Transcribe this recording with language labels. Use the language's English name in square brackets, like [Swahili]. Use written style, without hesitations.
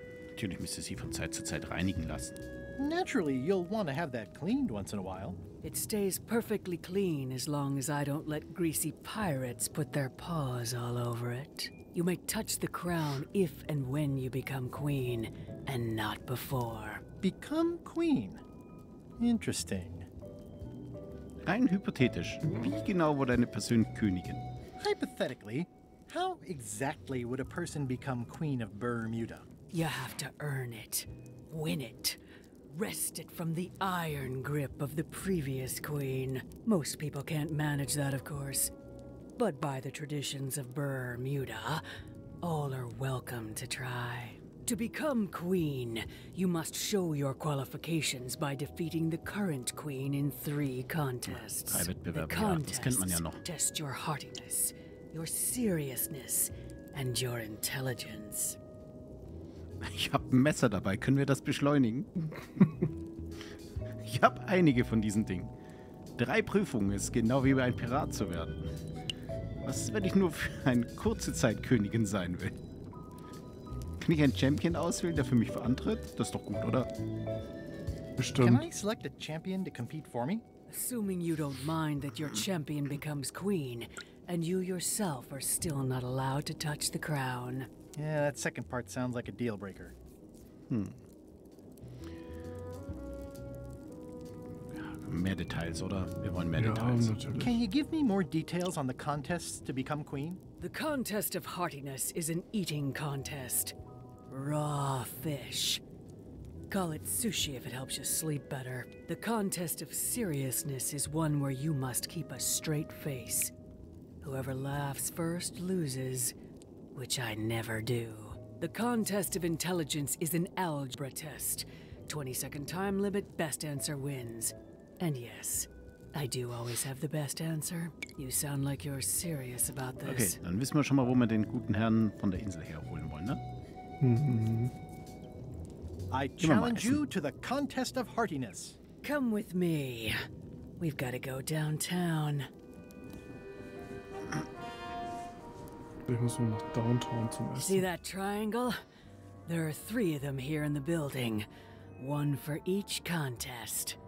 [German] Natürlich müsste sie von Zeit zu Zeit reinigen lassen. [English] Naturally, you'll want to have that cleaned once in a while. It stays perfectly clean as long as I don't let greasy pirates put their paws all over it. You may touch the crown if and when you become queen, and not before. Become queen? Interesting. [German] Rein hypothetisch, wie genau wird eine Person Königin? [English] Hypothetically, how exactly would a person become queen of Bermuda? You have to earn it, win it, wrest it from the iron grip of the previous queen. Most people can't manage that, of course. But by the traditions of Bermuda, all are welcome to try. To become queen, you must show your qualifications by defeating the current queen in 3 contests. The contests test your heartiness, your seriousness, and your intelligence. [German] Ich habe ein Messer dabei. Können wir das beschleunigen? Ich habe einige von diesen Dingen. 3 Prüfungen ist genau wie ein Pirat zu werden. Was ist, wenn ich nur für eine kurze Zeit Königin sein will? Kann ich einen Champion auswählen, der für mich verantritt? Das ist doch gut, oder? Bestimmt. [English] Can I select a champion to compete for me? Assuming you don't mind that your champion becomes queen and you yourself are still not allowed to touch the crown. Yeah, that second part sounds like a deal breaker. [German] Mehr Details, oder? Wir wollen mehr Details. [English] Can you give me more details on the contests to become queen? The contest of heartiness is an eating contest. Raw fish. Call it sushi if it helps you sleep better. The contest of seriousness is one where you must keep a straight face. Whoever laughs first loses. Which I never do. The contest of intelligence is an algebra test. 20-second time limit, best answer wins. And yes, I do always have the best answer. You sound like you're serious about this. [German] Okay, dann wissen wir schon mal, wo wir den guten Herrn von der Insel herholen wollen, ne? [English] I challenge you to the contest of heartiness. Come with me. We've got to go downtown. [German] Ich muss nur nach Downtown zum Essen. [English] See that triangle? There are 3 of them here in the building. 1 for each contest.